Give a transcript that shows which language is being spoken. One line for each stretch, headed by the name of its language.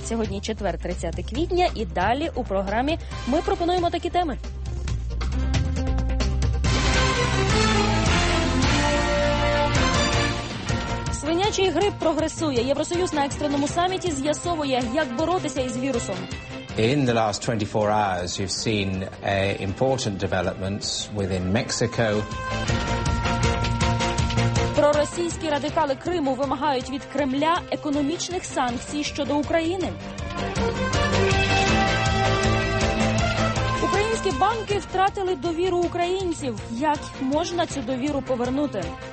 Ukrainian: Сьогодні четвер, 30 квітня. І далі у програмі ми пропонуємо такі теми. Свинячий грип прогресує. Євросоюз на екстреному саміті з'ясовує, як боротися із вірусом.
English: In the last 24 hours, you've seen important developments within Mexico.
Ukrainian: Проросійські радикали Криму вимагають від Кремля економічних санкцій щодо України. Українські банки втратили довіру українців. Як можна цю довіру повернути?